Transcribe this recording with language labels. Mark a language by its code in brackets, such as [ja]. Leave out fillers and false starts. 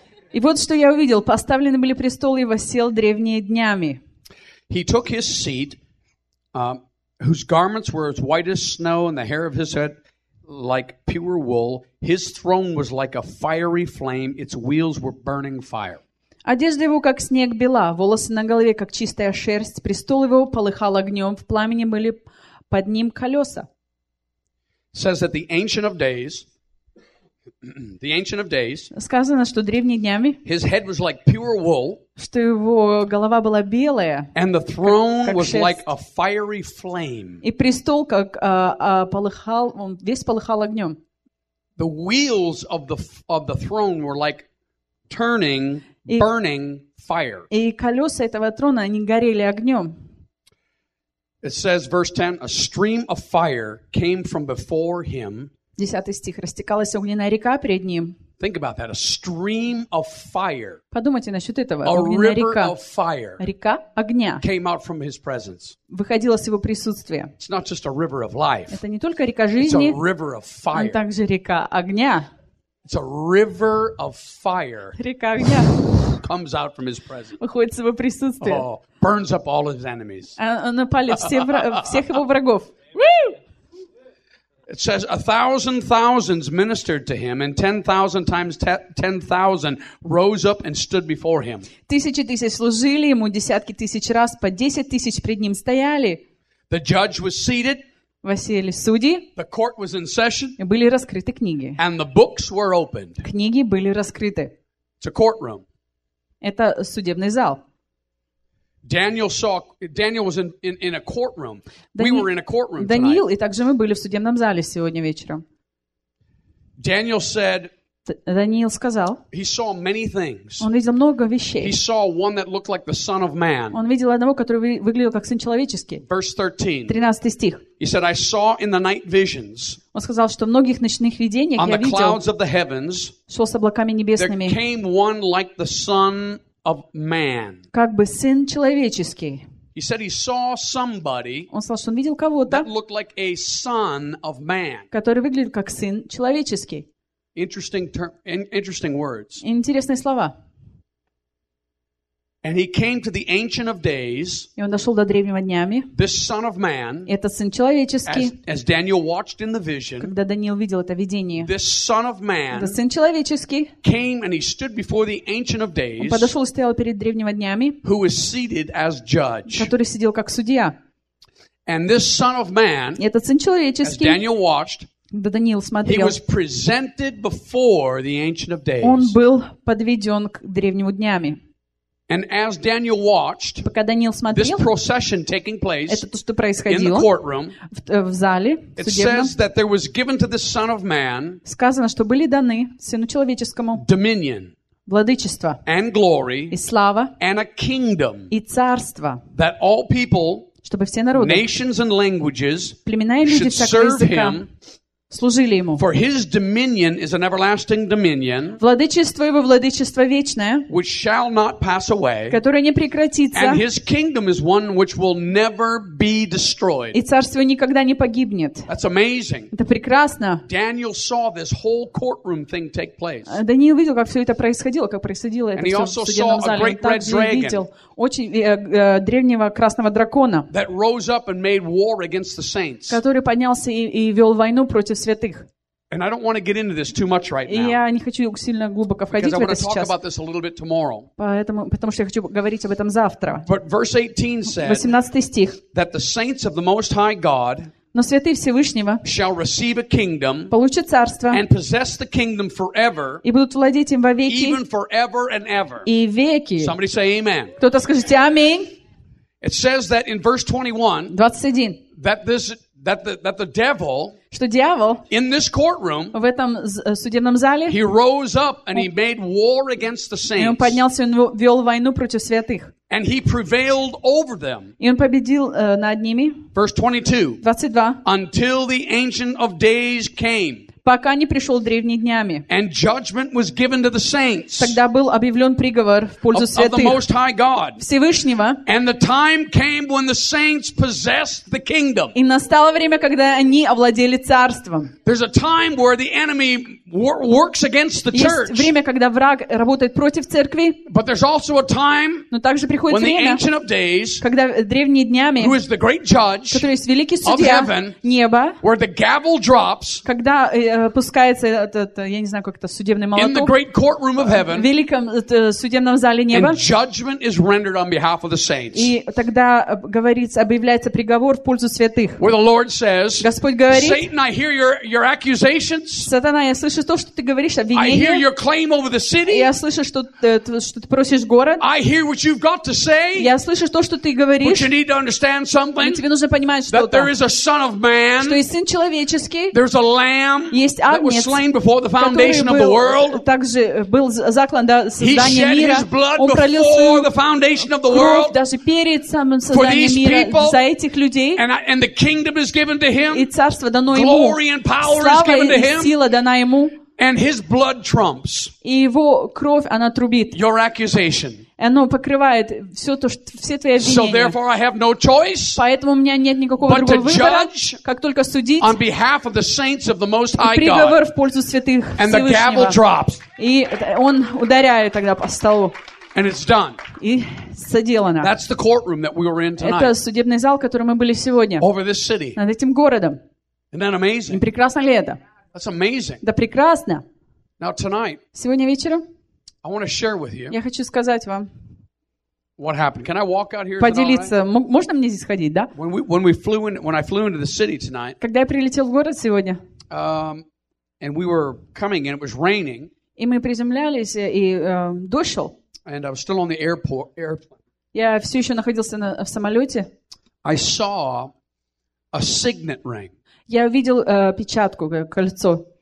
[ru] И вот что я увидел: поставлены были престолы и воссел древние днями. [en] He took his seat, whose garments were as white as snow, and the hair of his head like pure wool. His throne was like a fiery flame; its wheels were burning fire. [ru] Одежда его как снег бела, волосы на голове как чистая шерсть. Престол его полыхал огнем, в пламени были под ним колеса. [en] Says that the Ancient of Days. The Ancient of Days. [ru] Сказано, что древние днями. [en] His head was like pure wool. [ru] Что его голова была белая. [en] And the throne was like a fiery flame. [ru] И престол как полыхал, он весь полыхал огнем. [en] The wheels of the throne were like turning, burning fire. [ru] И колеса этого трона они горели огнем. [en] It says, verse 10, a stream of fire came from before him. [ru] 10 стих. Растекалась огненная река перед ним. [en] Think about that. A stream of fire. [ru] Подумайте насчет этого. [en] A [ru] огненная река. [en] Of fire. [ru] Река огня. [en] Came out from his presence. [ru] Выходила с его присутствия. [en] It's not just a river of life. [ru] Это не только река жизни. [en] It's a river of fire. [ru] Но также река огня. [en] It's a river of fire. [ru] Река огня. [en] Comes out from his presence. [ru] Выходит с его присутствия. [en] Oh, burns up all his enemies. [ru] Она палит всех его врагов. [en] It says, a thousand thousands ministered to him, and 10,000 times 10,000 rose up and stood before him. [ru] Тысячи тысяч служили ему, десятки тысяч раз по 10,000 пред ним стояли. [en] The judge was seated. [ru] Воссели судьи. [en] The court was in session. [ru] И были раскрыты книги. [en] And the books were opened. [ru] Книги были раскрыты. [en] It's a courtroom. [ru] Это судебный зал. [en] Daniel was in a courtroom. We were in a courtroom [ru] Даниил, и также мы были в судебном зале сегодня вечером. [en] Daniel said. [ru] Даниил сказал. [en] He saw many things. [ru] Он видел много вещей. [en] He saw one that looked like the Son of Man. [ru] Он видел одного, который выглядел как Сын человеческий. [en] Verse 13. [ru] 13 стих. [en] He said, I saw in the night visions. [ru] Он сказал, что в многих ночных видениях я видел. [en] On the clouds of the heavens. [ru] Шел с облаками небесными. [en] There came one like the Son of man. [ru] Как бы Сын человеческий. [en] He said he saw somebody. [ru] Он сказал, что он видел кого-то. [en] That looked like a son of man. [ru] Который выглядит как Сын человеческий. [en] Interesting words. [ru] Интересные слова. [en] And he came to the Ancient of Days. [ru] И он дошел до древнего днями. [en] This son of man. [ru] Этот Сын человеческий. [en] As Daniel watched in the vision. [ru] Когда Даниил видел это видение. [en] This son of man. [ru] Этот Сын человеческий. [en] Came and he stood before the Ancient of Days. [ru] Он подошел и стоял перед древнего днями. [en] Who was seated as judge. [ru] Который сидел как судья. [en] And this son of man. [ru] И этот Сын человеческий. [en] As Daniel watched. [ru] Когда Даниил смотрел. [en] He was presented before the Ancient of Days. [ru] Он был подведен к древнему днями. [en] And as Daniel watched, [ru] пока Даниил смотрел, [en] this procession taking place, [ru] это то, что происходило [en] in the courtroom, [ru] в зале судебном, [en] it says that there was given to the Son of Man, [ru] сказано, что были даны Сыну человеческому [en] dominion, [ru] владычество [en] and glory, [ru] и слава [en] and a kingdom, [ru] и царство, [en] that all people, [ru] чтобы все народы, [en] nations and languages, [ru] племена и люди всякого языка, [en] should serve him, [ru] служили ему. [en] For his dominion is an everlasting dominion, [ru] владычество его владычество вечное, [en] which shall not pass away, [ru] которое не прекратится, [en] and his kingdom is one which will never be destroyed. [ru] И царство никогда не погибнет. [en] That's amazing. [ru] Это прекрасно. [en] Daniel saw this whole courtroom thing take place. [ru] Даниил видел, как все это происходило, как происходило это все в судебном зале. [en] And he also saw a great red dragon, [ru] очень древнего красного дракона, [en] that rose up and made war against the saints, [ru] который поднялся и вел войну против святых. [en] And I don't want to get into this too much right now. [ru] И я не хочу сильно глубоко входить в это сейчас. [en] Because I want to talk about this a little bit tomorrow. [ru] Потому что я хочу говорить об этом завтра. [en] But verse 18 said, [ru] 18 стих, [en] that the saints of the Most High God, [ru] но святые Всевышнего, [en] shall receive a kingdom, [ru] получат царство, [en] and possess the kingdom forever, [ru] и будут владеть им вовеки, [en] even forever and ever. [ru] И веки. [en] Somebody say amen. [ru] Кто-то скажите аминь. [en] It says that in verse 21, that the devil, [ru] что дьявол, [en] in this courtroom, [ru] в этом судебном зале, [en] he rose up and he made war against the saints, [ru] и он поднялся, он вел войну против святых, [en] and he prevailed over them, [ru] и он победил над ними. [en] Verse 22, until the Ancient of Days came, [ru] пока не пришел древний днями, [en] and judgment was given to the saints, [ru] тогда был объявлен приговор в пользу святых, [en] of the Most High God, [ru] Всевышнего, [en] and the time came when the saints possessed the kingdom, [ru] и настало время, когда они овладели царством. [en] There's a time where the enemy works against the church, [ru] есть время, когда враг работает против церкви, [en] but there's also a time, [ru] но также приходит [en] when [ru] время, [en] the Ancient of Days, [ru] когда древний днями, [en] who is the great judge, [ru] который есть великий судья [en] of heaven, [ru] неба, [en] where the gavel drops, [ru] когда пускается этот, я не знаю, как это, судебный молоток, [en] in the great courtroom of heaven, [ru] в великом судебном зале неба, [en] and judgment is rendered on behalf of the saints, [ru] и тогда говорится, объявляется приговор в пользу святых, [en] where the Lord says, [ru] Господь говорит, [en] Satan, I hear your accusations, [ru] Сатана, я слышу то, что ты говоришь, обвинение, [en] I hear your claim over the city, [ru] я слышу, что ты просишь город, [en] I hear what you've got to say, [ru] я слышу то, что ты говоришь, [en] but you need to understand something, [ru] но тебе нужно понимать что-то, [en] that there is a son of man, [ru] что есть сын человеческий, [en] there's a lamb, [ru] есть Агнец, [en] that was slain before the foundation of the world, [ru] который также был заклан до создания мира, [en] he shed his blood before the foundation of the world, [ru] даже перед самым созданием мира, за этих людей, [en] and the kingdom is given to him, [ru] и царство дано ему, [en] glory and power is given to him, [ru] сила дана ему, [en] and his blood trumps, [ru] и его кровь она трубит, [en] your accusation, [ru] оно покрывает все то, что все твои обвинения. [en] So therefore I have no choice, [ru] поэтому у меня нет никакого [en] but [ru] другого [en] to [ru] выбора, [en] judge, [ru] как только судить, [en] on behalf of the saints of the Most High God, [ru] приговор в пользу святых Всевышнего, [en] and the gavel drops, [ru] и он ударяет тогда по столу, [en] and it's done, [ru] и соделано. [en] That's the courtroom that we were in tonight, [ru] это судебный зал, в котором мы были сегодня, [en] over this city, [ru] над этим городом. [en] Isn't that amazing? [ru] Не прекрасно ли это? [en] That's amazing. [ru] Да прекрасно. [en] Now tonight, [ru] сегодня вечером, [en] I want to share with you, [ru] я хочу сказать вам, [en] what happened. Can I walk out here [ru] поделиться. [en] Tonight? [ru] Можно мне здесь ходить, да? [en] When I flew into the city tonight, [ru] когда я прилетел в город сегодня, [en] and we were coming and it was raining, [ru] и мы приземлялись, и дождь шел, [en] and I was still on the airplane, [ru] я все еще находился в самолете, [en] I saw a signet ring. [ru] Я увидел печатку, кольцо.